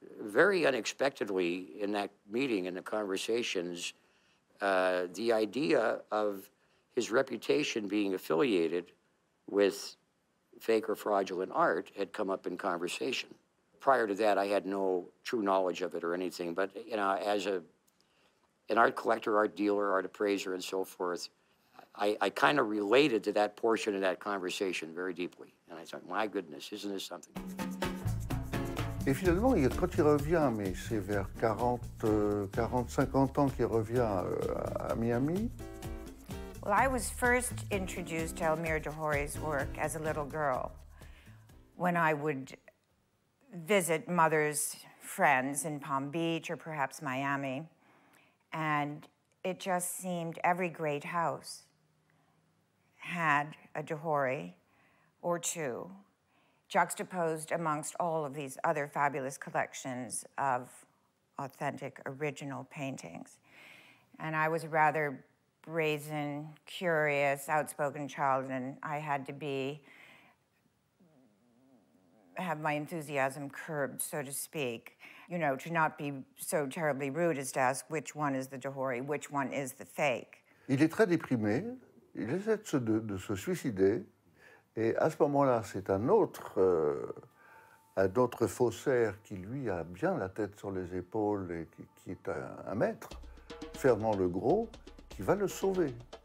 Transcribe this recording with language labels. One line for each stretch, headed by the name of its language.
English: Very unexpectedly in that meeting, in the conversations, the idea of his reputation being affiliated with fake or fraudulent art had come up in conversation. prior to that, I had no true knowledge of it or anything. But, you know, as an art collector, art dealer, art appraiser, and so forth, I kind of related to that portion of that conversation very deeply. And I thought, my goodness, isn't this something?
French: Et finalement, quand il revient, mais c'est vers 40, 50 ans qu'il revient à Miami.
English: Well, I was first introduced to Elmyr de Hory's work as a little girl when I would visit mother's friends in Palm Beach or perhaps Miami. And it just seemed every great house had a de Hory or two, juxtaposed amongst all of these other fabulous collections of authentic original paintings. And I was a rather brazen, curious, outspoken child, and I had to have my enthusiasm curbed, so to speak, you know, to not be so terribly rude as to ask which one is the de Hory, which one is the fake.
French: Il est très déprimé, il essaie de se suicider. Et à ce moment-là, c'est un autre faussaire qui, lui, a bien la tête sur les épaules et qui est un maître, Fernand le Gros, qui va le sauver.